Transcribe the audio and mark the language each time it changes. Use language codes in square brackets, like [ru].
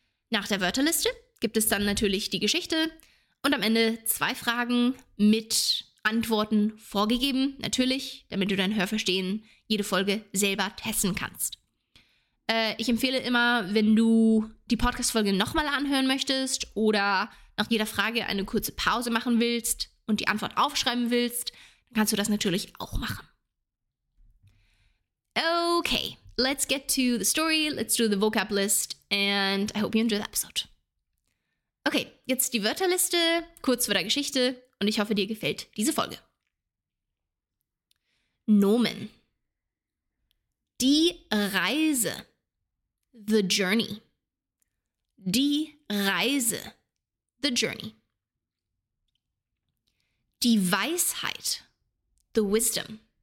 [de] Nach der Wörterliste gibt es dann natürlich die Geschichte. Und am Ende zwei Fragen mit Antworten vorgegeben, natürlich, damit du dein Hörverstehen jede Folge selber testen kannst. Ich empfehle immer, wenn du die Podcast-Folge nochmal anhören möchtest oder nach jeder Frage eine kurze Pause machen willst und die Antwort aufschreiben willst, dann kannst du das natürlich auch machen. [en] Okay, let's get to the story, let's do the vocab list and I hope you enjoy the episode. [de] Okay, jetzt die Wörterliste, kurz vor der Geschichte und ich hoffe, dir gefällt diese Folge. Nomen. Die Reise. [en] The journey. [de] Die Reise. [en] The journey. [de] Die Weisheit. [en] the wisdom.